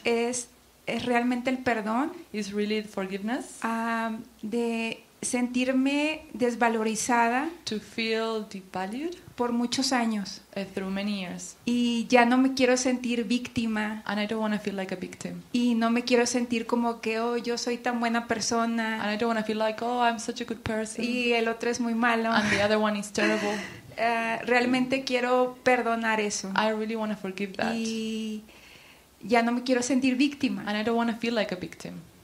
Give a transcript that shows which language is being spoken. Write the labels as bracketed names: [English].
[Spanish] Es realmente el perdón. [English] Is really forgiveness. [Spanish] De sentirme desvalorizada. [English] To feel devalued. [Spanish] Por muchos años. [English] Through many years. [Spanish] Y ya no me quiero sentir víctima. [English] And I don't want to feel like a victim. [Spanish] Y no me quiero sentir como que, oh, yo soy tan buena persona. [English] And I don't want to feel like, oh, I'm such a good person. [Spanish] Y el otro es muy malo. [English] And the other one is terrible. [Spanish] Realmente quiero perdonar eso. [English] I really want to forgive that. [Spanish] Y ya no me quiero sentir víctima. [English] And I don't want to feel like a victim.